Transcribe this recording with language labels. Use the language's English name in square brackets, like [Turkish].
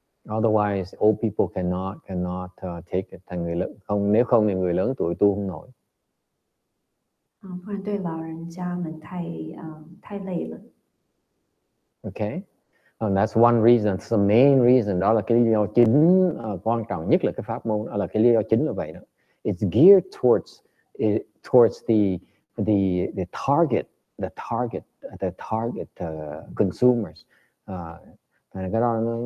[English] Otherwise, old people cannot take it. [Vietnamese] Thành người lớn không, nếu không thì người lớn tuổi tu không nổi. [Chinese] 不然对老人家们太累了. [English] Okay. And that's one reason, that's the main reason, [Vietnamese] đó là cái lý do chính quan trọng nhất là cái pháp môn, đó là cái lý do chính là vậy đó. [English] It's geared towards the target consumers. [Vietnamese] Cái đó